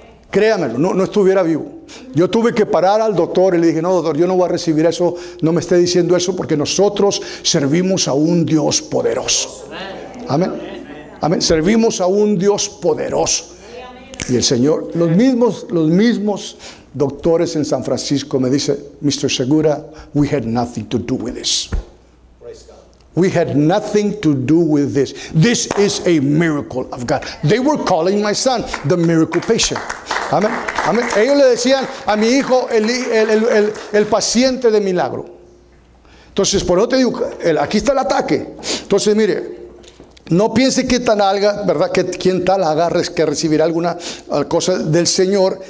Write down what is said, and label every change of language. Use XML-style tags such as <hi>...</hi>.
<es>Créamelo, no estuviera vivo. Yo tuve que parar al doctor y le dije, no, doctor, yo no voy a recibir eso, no me esté diciendo eso, porque nosotros servimos a un Dios poderoso. Amén. Amén. Servimos a un Dios poderoso. Y el Señor, los mismos doctores en San Francisco me dice,</es> <en>Mr. Segura, we had nothing to do with this. We had nothing to do with this. This is a miracle of God. They were calling my son the miracle patient.</en> <es>Amén. Amén. Ellos le decían a mi hijo el paciente de milagro. Entonces, por eso te digo, aquí está el ataque. Entonces, mire, no piense que tan alga, ¿verdad? Que quien tal agarre, que recibirá alguna cosa del Señor.</es>